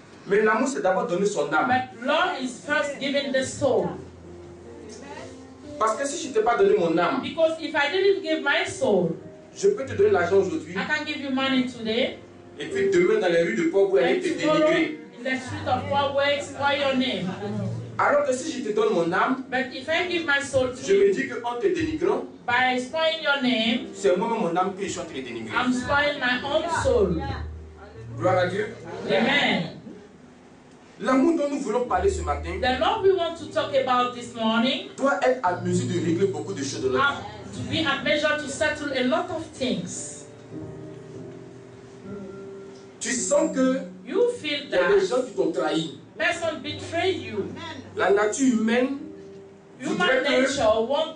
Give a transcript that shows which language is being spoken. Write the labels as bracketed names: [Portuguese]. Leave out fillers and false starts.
[French] Mais l'amour, c'est d'abord donner son âme. [English] But love is first giving the soul. Amen. [French] Parce que si je ne t'ai pas donné mon âme, [English] because if I didn't give my soul, [French] je peux te donner l'argent aujourd'hui. [English] I can give you money today. [French] Et puis demain dans les rues de Port Wayne, te dénigrer. [English] In the street of Port Wayne, spoil your name. [French] Alors que si je te donne mon âme, [English] but if I give my soul to [French] je me dis qu'en te dénigrant, [English] by spoiling your name, [French] c'est moi-même mon âme que je suis en train de dénigrer. [English] I'm spoiling my own soul. [French] Gloire à Dieu. [English] Amen. [French] L'amour dont nous voulons parler ce matin, [English] the love we want to talk about this morning, [French] doit être à mesure de régler beaucoup de choses de notre vie. [English] To be at measure to settle a lot of things. [French] Tu sens que [English] you feel that [French] y a des gens qui t'ont trahi. [English] Person betray you. [French] La nature humaine, [English] human nature want